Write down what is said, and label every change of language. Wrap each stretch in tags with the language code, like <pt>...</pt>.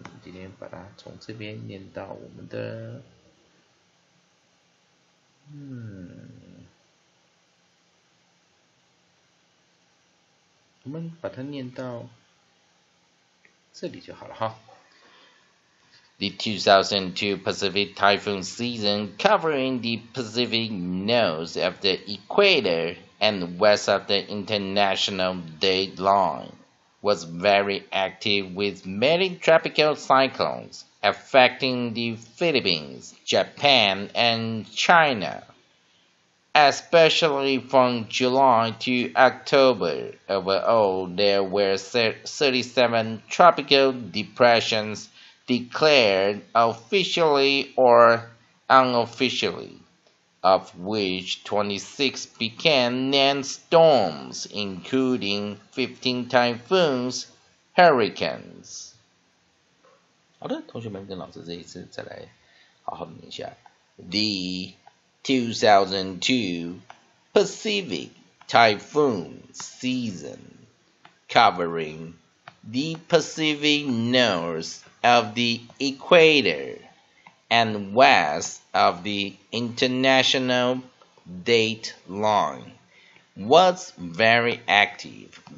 <zh>我们今天把它从这边念到我们的，我们把它念到这里就好了哈。</zh> <en>The 2002 Pacific typhoon season covering the Pacific nose of the equator. And west of the international dateline was very active with many tropical cyclones affecting the Philippines, Japan, and China, especially from July to October. Overall, there were 37 tropical depressions declared officially or unofficially. Of which 26 became named storms, including 15 typhoons, hurricanes.</en> <zh>好的，同学们跟老师这一次再来好好念一下。</zh> <en>The 2002 Pacific typhoon season covering the Pacific north of the equator. And west of the international date line was very active.</en>